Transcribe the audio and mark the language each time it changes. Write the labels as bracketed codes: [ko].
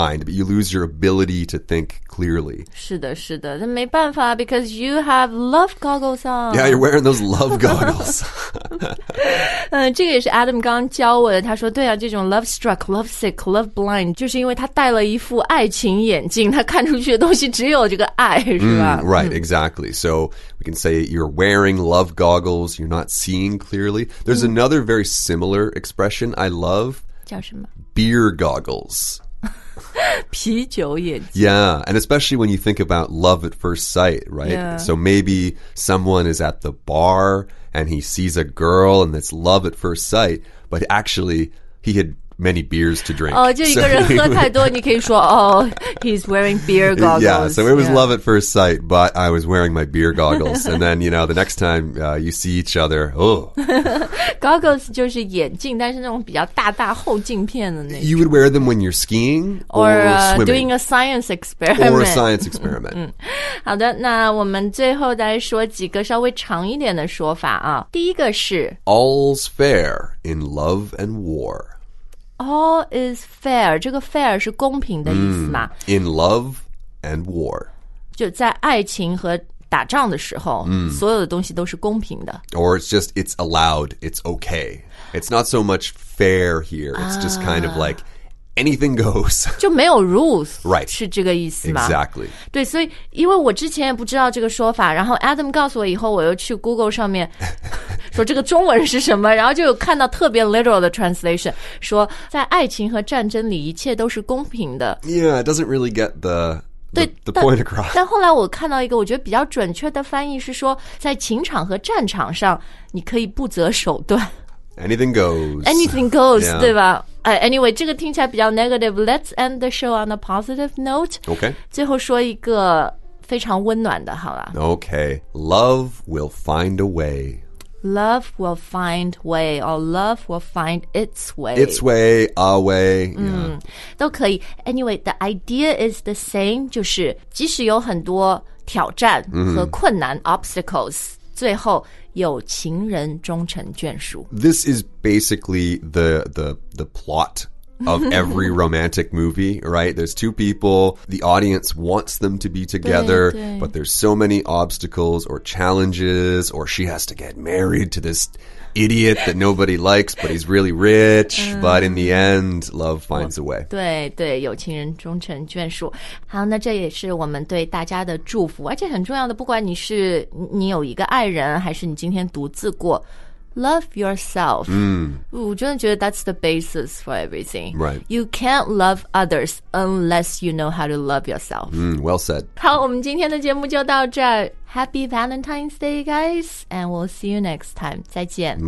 [en] You lose your ability to think clearly. [zh] 是的是的那没办法 [en] because you have love goggles on. Yeah, you're wearing those love goggles. [zh] 这个也是 Adam 刚教我的他说对啊这种 [en] love struck, love sick, love blind [zh] 就是因为他戴了一副爱情眼镜他看出去的东西只有这个爱是吧、 [en] Right, exactly. So we can say you're wearing love goggles, you're not seeing clearly. There's another very similar expression I love. [zh] 叫什么 [en] Beer goggles. [zh] 啤酒眼睛 [en] Yeah, and especially when you think about love at first sight, right? Yeah. So maybe someone is at the bar and he sees a girl and it's love at first sight, but actually he had many beers to drink. [zh] 就一个人喝太多你可以说 [en] oh, he's wearing beer goggles. Yeah, so it was love at first sight, but I was wearing my beer goggles. And then, you know, the next time you see each other, oh. [zh] goggles 就是眼镜但是那种比较大大厚镜片的那种 [en] You would wear them when you're skiing or swimming. Doing a science experiment. Or a science experiment. [zh] 好的那我们最后再说几个稍微长一点的说法啊。第一个是 [en] All's fair in love and war. All is fair, [zh] 这个 fair 是公平的意思吗? [en] In love and war. [zh] 就在爱情和打仗的时候,所有的东西都是公平的。 [en] Or it's just, it's allowed, it's okay. It's not so much fair here, it's just kind of like... Anything goes. [zh] 就没有 rules. [en] Right. [zh] 是这个意思吗? [en] Exactly. [zh] 对所以因为我之前也不知道这个说法然后 Adam 告诉我以后我又去 Google 上面说这个中文是什么然后就有看到特别 literal 的 translation 说在爱情和战争里一切都是公平的。 [en] Yeah, it doesn't really get the... [zh] 对 [en] the point across. [zh] 但后来我看到一个我觉得比较准确的翻译是说在情场和战场上你可以不择手段。 [en] Anything goes. Anything goes,、yeah. [zh] 对吧? [en] Anyway, [zh] 这个听起来比较 negative. [en] Let's end the show on a positive note. Okay. [zh] 最后说一个非常温暖的好了。 [en] Okay. Love will find a way. Love will find way. Or love will find its way. Its way, our way.、Yeah. [zh] 都可以。 [en] Anyway, the idea is the same. [zh] 就是即使有很多挑战和困难、obstacles, 最后有情人终成眷属。 [en] This is basically the plot of every romantic movie, right? There's two people, the audience wants them to be together, [zh] 对, [en] but there's so many obstacles or challenges, or she has to get married to this idiot that nobody likes, but he's really rich, but in the end, love finds a way. [zh] 对对，有情人终成眷属。好，那这也是我们对大家的祝福，而且很重要的，不管你是你有一个爱人，还是你今天独自过， [en] Love yourself. I really think that's the basis for everything. Right. You can't love others unless you know how to love yourself. Well said. [zh] 好，我们今天的节目就到这儿。 [en] Happy Valentine's Day, guys. And we'll see you next time. [zh] 再见。